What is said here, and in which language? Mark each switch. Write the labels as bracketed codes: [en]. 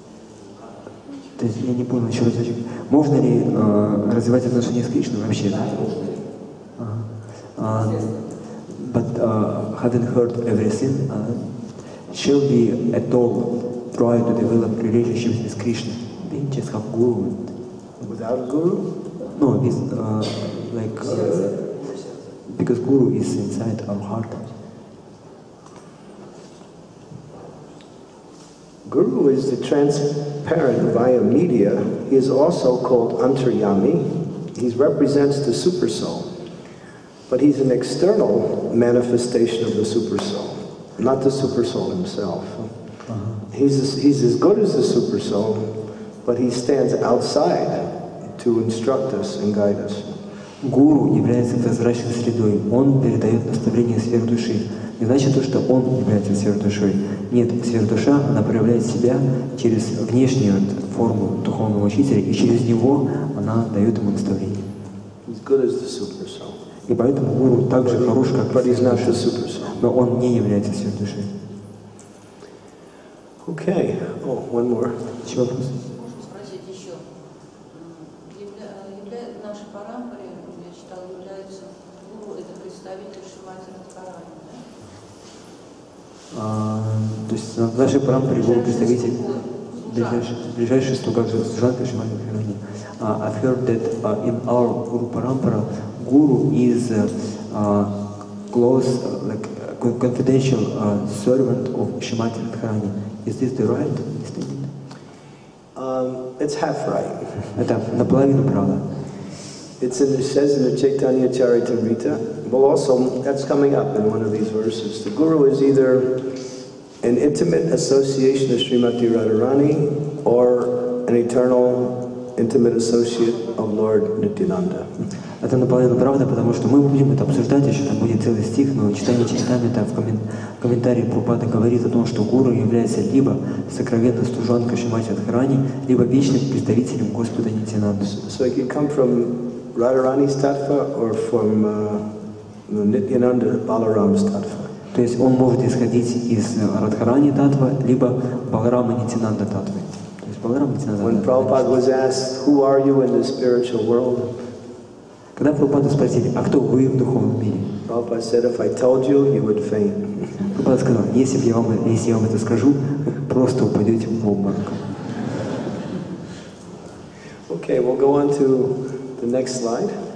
[ru] Хорошо. А вот если уже сказано, развивать отношения непосредственно с Кришной, можно? То есть я не понял, еще раз. Можно ли развивать отношения с Кришной вообще? Да, можно ли. [en] But having heard everything, shall we at all try to develop relationships with Krishna? Just have guru. Without guru? No, it's like because Guru is inside our heart. Guru is the transparent via media. He is also called Antaryami. He represents the Super Soul, but he's an external manifestation of the Super Soul, not the Super Soul himself. He's as good as the Super Soul, but he stands outside to instruct us and guide us. [ru] Guru является прозрачной средой. Он передает наставления сверхдуши. Не значит то, что он является сверхдушой. Нет, сверхдуша, она проявляет себя через внешнюю форму духовного учителя, и через него она дает ему наставление. [en] He's good as the Super Soul. [ru] И поэтому Гуру так же хорош, как [en] сверхдуша. But he's not. [ru] Но он не является сверхдушой. [en] Okay. Oh, one more. [ru] Еще вопрос? То есть в нашей парампаре был представитель ближайшей стугаджи Суджанка Шимати Махарани. [en] I've heard that in our Guru Parampara, Guru is a close, like a confidential servant of Шимати Махарани. Is this the right statement? It's half right. [ru] Это наполовину правда. [en] It says in the Chaitanya Charitamrita, well also, that's coming up in one of these verses, the Guru is either an intimate association of Srimati Radharani or an eternal intimate associate of Lord Nityananda. [ru] Это наполовину правда, потому что мы будем это обсуждать, еще там будет целый стих, но читание Чайтамрита в комментарии Прабхупады говорит о том, что Гуру является либо сокровенной служанкой Шримати Радхарани, либо вечным представителем Господа Нитянанды. [en] So it can come from Radharani's tattva or from Nityananda Balaram's tattva. [ru] То есть он может исходить из Радхарани Таттвы, либо Баларама Нитинанда Таттвы. То есть Баларама Нитинанда Таттвы. [en] When Prabhupada was asked, who are you in the spiritual world? [ru] Когда Прабхупаду спросили, а кто вы в духовном мире? [en] Prabhupada said, if I told you, you would faint. [ru] Прабхупада сказал, если я вам это скажу, вы просто упадете в обморок. [en] Okay, we'll go on to the next slide.